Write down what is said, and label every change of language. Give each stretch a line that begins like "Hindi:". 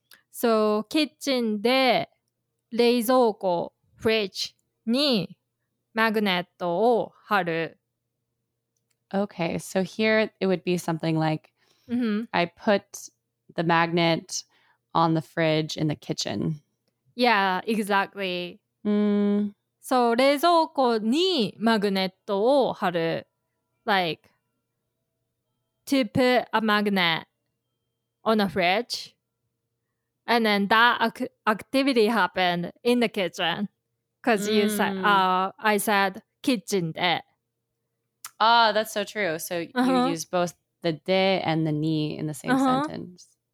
English: So kitchen
Japanese: de 冷蔵庫、フリッジにマグネットを貼る。
English: Okay, so here it would be something like I put the magnet on the fridge in the kitchen. Yeah, exactly. So
Japanese: 冷蔵庫にマグネットを貼る。
English: Like to put a magnet on the fridge. And then that activity happened in the kitchen because you said, I said kitchen de. Ah, that's so true. So you use both the de and the ni in the same sentence.